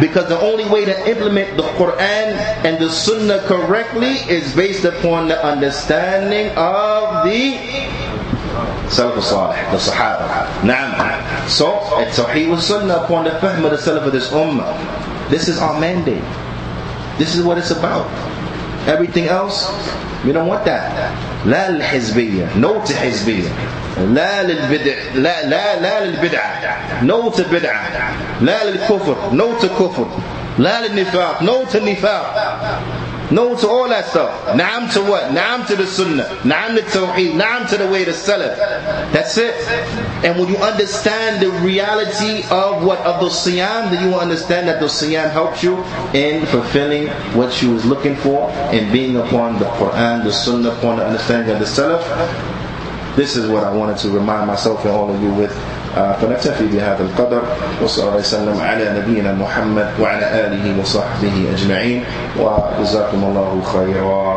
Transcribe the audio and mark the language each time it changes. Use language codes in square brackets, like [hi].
[en] Because the only way to implement the Quran and the sunnah correctly is based upon the understanding of the Salaf al-Salih, the Sahaba. Naam? So, it's Tawheed with sunnah upon the fahm of the Salaf of this Ummah. This is our mandate. This is what it's about. Everything else, we don't want that. [ar] لا الحزبية, [en] no to [ar] حزبية. لا للبدعة, no to بدعة. لا للكفر, [en] no to [ar] كفر. لا للنفاق, no to نفاق. [en] No to all that stuff. نعم to what? نعم to the Sunnah. [ar] نعم للتوحيد. [en] نعم to the way to Salaf. That's it. And when you understand the reality of what of the Siyam, then you will understand that the Siyam helps you in fulfilling what you was looking for and being upon the Quran, the Sunnah, upon the understanding of the Salaf. This is what I wanted to remind myself and all of you with. [ar] فنكتفي بهذا القدر وصلى الله وسلم على نبينا محمد وعلى آله وصحبه أجمعين وجزاكم الله خيرا.